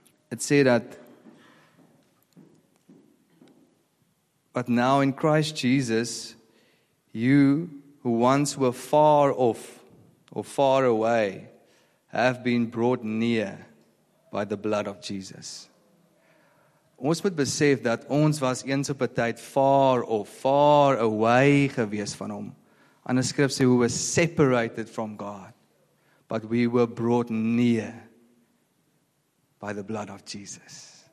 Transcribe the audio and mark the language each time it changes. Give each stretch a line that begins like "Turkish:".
Afrikaans: Dit sê dat
English: but now in Christ Jesus you who once were far off or far away have been brought near by the blood of Jesus.
Afrikaans: Ons moet besef dat ons was eens op 'n tyd
English: far off, far away
Afrikaans: gewees van hom. Ander skrif sê
English: we were separated from God, but we were brought near by the blood of Jesus.